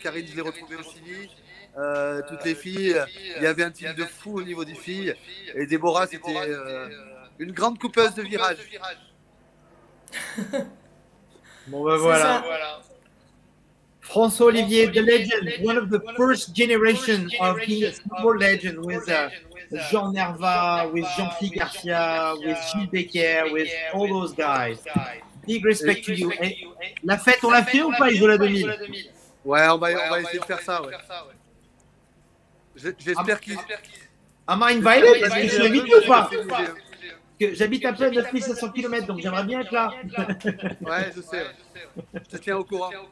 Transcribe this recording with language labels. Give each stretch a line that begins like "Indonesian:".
French: Karine, je l'ai retrouvée aussi. Toutes les filles, il y avait un team de fou au niveau des filles. Et Déborah, c'était une grande coupeuse de virages. Bon, ben voilà.
English: François Olivier, the legend, one of the first generation of being a snowboard legend with Jean Nerva, with Jean-Philippe Garcia, with Gilles Becker, with all those guys. Big respect to you.
French: Et la fête, on l'a fait ou pas, Isola 2000? Ouais, on va essayer de faire ça, ouais. J'espère qu'il.
English: Am I invited?
French: Est-ce que je suis invité ou pas? J'habite à plein de 900 km, donc j'aimerais bien être là. Ouais, je sais. Je te tiens au courant.